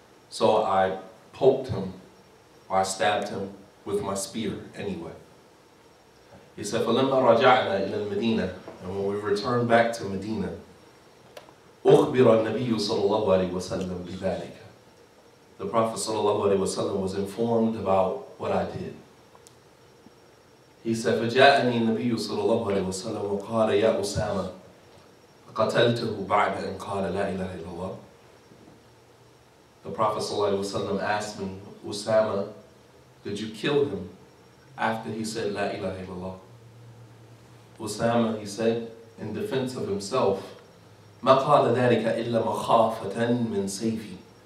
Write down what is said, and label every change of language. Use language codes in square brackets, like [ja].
[en] So I poked him, or I stabbed him with my spear anyway. He said, [ar] فلما رجعنا إلى المدينة, [en] and when we returned back to Medina, [ar] أخبر النبي صلى الله عليه وسلم بذلك. [en] The Prophet sallallahu alaihi wasallam was informed about what I did. He said, [ar] فجاءني النبي صلى الله عليه وسلم وقال يا أسامة قتلته بعد أن قال لا إله إلا الله. [en] The Prophet sallallahu alaihi wasallam asked me, Usama, did you kill him after he said [ar] لا إله إلا الله? [en] Usama, he said, in defense of himself, [ar] ما قال ذلك إلا مخافة من سيفي.